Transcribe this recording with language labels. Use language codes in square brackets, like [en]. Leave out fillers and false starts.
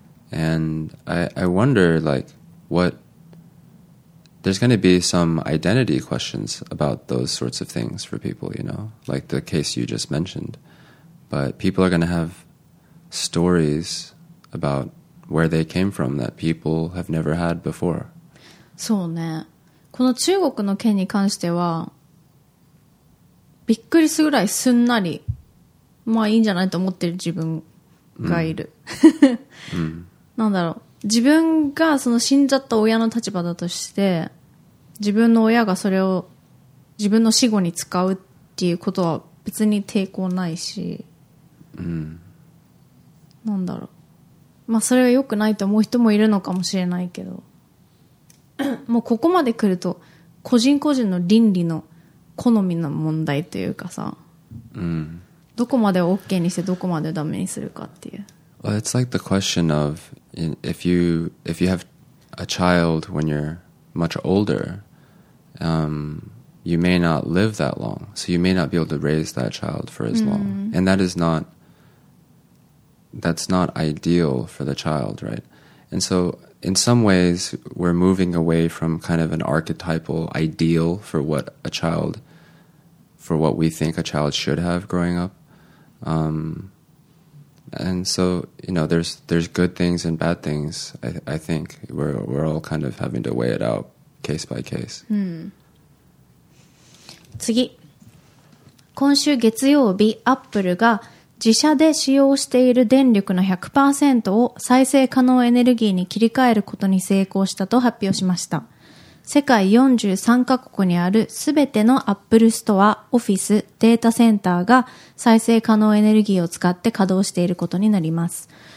[en] And I wonder, like, what... There's going to be some identity questions about those sorts of things for people, you know? Like the case you just mentioned. But people are going to have... stories about where they came from that people have never had before. [ja] そうね。この中国の件に関しては、びっくりするぐらいすんなり、まあいいんじゃないと思ってる自分がいる。うん。なんだろう。自分がその死んじゃった親の立場だとして、自分の親がそれを自分の死後に使うっていうことは別に抵抗ないし。うん。なんだろう、まあそれが良くないと思う人もいるのかもしれないけど、もうここまで来ると個人個人の倫理の好みの問題というかさ、うん、どこまでOKにしてどこまでダメにするかっていう。 [en] Well, it's like the question of if you have a child when you're much older, you may not live that long, so you may not be able to raise that child for as long,、うん、and that is not. That's not ideal for the child, right? And so, in some ways, we're moving away from kind of an archetypal ideal for what a child, for what we think a child should have growing up. And so, you know, there's good things and bad things. I think we're all kind of having to weigh it out case by case. [ja] 次。今週月曜日、Appleが自社で使用している電力の 100% を再生可能エネルギーに切り替えることに成功したと発表しました。世界43カ国にあるすべてのアップルストア、オフィス、データセンターが再生可能エネルギーを使って稼働していることになります。